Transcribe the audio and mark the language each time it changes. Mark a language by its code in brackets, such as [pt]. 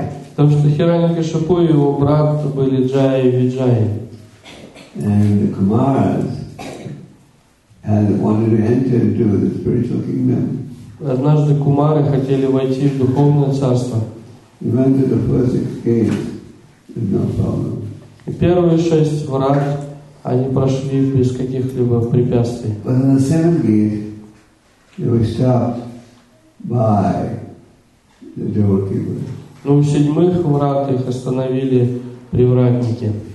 [ru] Потому что Хирани Кашипу и его брат были Джая и Виджая. [en] And the Kumaras had wanted to enter into the spiritual kingdom. [ru] Однажды Кумары хотели войти в духовное царство. [en] They went to the first 6 gates with no problem. [ru] И первые 6 врат они прошли без каких-либо препятствий. [en] But in the 7th gate they were stopped by the devotee. [ru] Но у седьмых врат их остановили привратники.